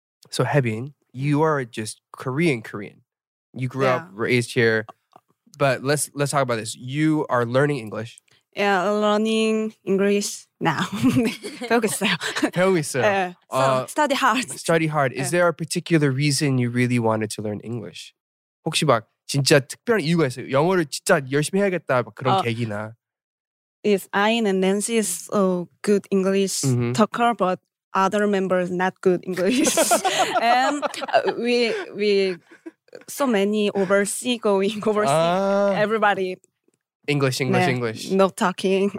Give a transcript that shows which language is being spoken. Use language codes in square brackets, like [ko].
[en] So Haebin, you are just Korean. You grew up, raised here… But let's talk about this. You are learning English. Yeah, learning English now. Focus now. So study hard. Study hard. Is there a particular reason you really wanted to learn English? [ko] 혹시 막 진짜 특별한 이유가 있어요? 영어를 진짜 열심히 해야겠다 막 그런 계기나. [en] Yes, I and Nancy is so good English talker, but other members not good English. And we. So many overseas. Everybody. English. No talking.